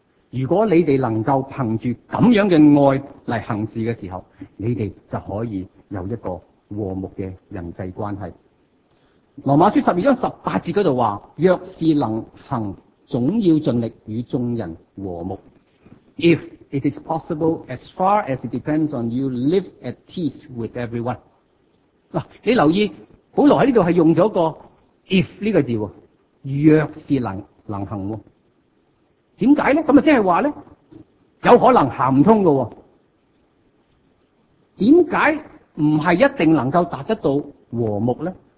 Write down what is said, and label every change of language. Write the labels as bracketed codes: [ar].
[yue] 如果你們能夠憑著這樣的愛來行事的時候，你們就可以有一個和睦的人際關係。羅馬書十二章十八節那裡說，若是能行，總要盡力與眾人和睦。 [en] If it is possible, as far as it depends on you, live at peace with everyone。 [yue] 你留意保羅在這裡是用了一個 if 這個字，若是能行，為什麼呢？那就是說有可能行不通的，為什麼不是一定能夠達得到和睦呢？